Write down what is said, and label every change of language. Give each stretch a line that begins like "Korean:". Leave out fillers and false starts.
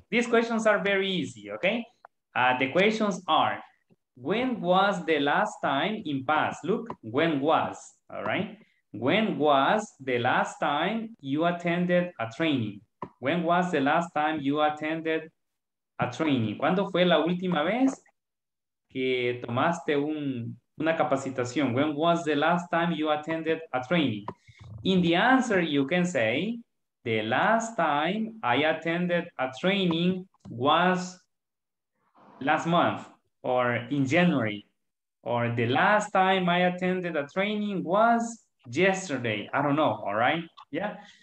English: These questions are very easy, okay? The questions are, when was the last time in past? Look, when was, all right? When was the last time you attended a training? When was the last time you attended a training?
Spanish: ¿Cuándo fue la última vez que tomaste una capacitación?
English: When was the last time you attended a training? In the answer, you can say, the last time I attended a training was last month. Or in January, or the last time I attended a training was yesterday. I don't know, all right? Yeah.